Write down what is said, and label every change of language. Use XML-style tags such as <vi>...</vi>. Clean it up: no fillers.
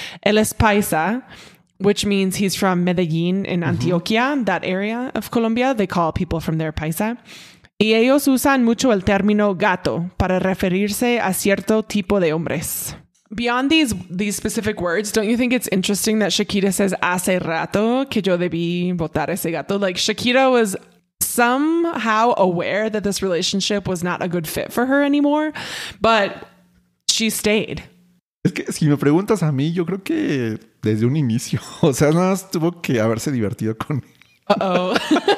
<es>Él es paisa,</es> <en>which means he's from Medellín in Antioquia, that area of Colombia. They call people from there paisa.</en> <es>Y ellos usan mucho el término gato para referirse a cierto tipo de hombres.</es> <en>Beyond these specific words, don't you think it's interesting that Shakira says</en> <es>hace rato que yo debí botar ese gato?</es> <en>Like, Shakira was somehow aware that this relationship was not a good fit for her anymore, but she stayed.</en> <es>Es que si me preguntas a mí, yo creo que desde un inicio, o sea, nada más tuvo que haberse divertido con él.</es>